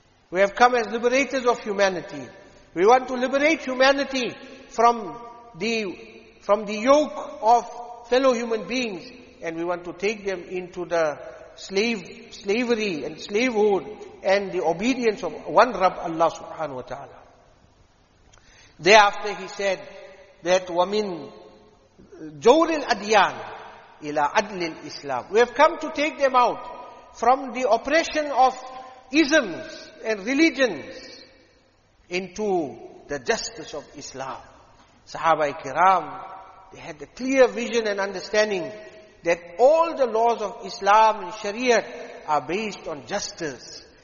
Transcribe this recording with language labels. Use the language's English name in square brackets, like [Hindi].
[English] We have come as liberators of humanity. We want to liberate humanity from the yoke of fellow human beings, and we want to take them into the slavery and slavehood and the obedience of one Rabb, Allah subhanahu wa ta'ala. Thereafter he said that [Arabic] وَمِنْ جَوْرِ الْأَدْيَانِ إِلَىٰ عَدْلِ الْإِسْلَامِ. [English] We have come to take them out from the oppression of isms and religions into the justice of Islam. Sahaba-i-Kiram, they had a clear vision and understanding that all the laws of Islam and Sharia are based on justice.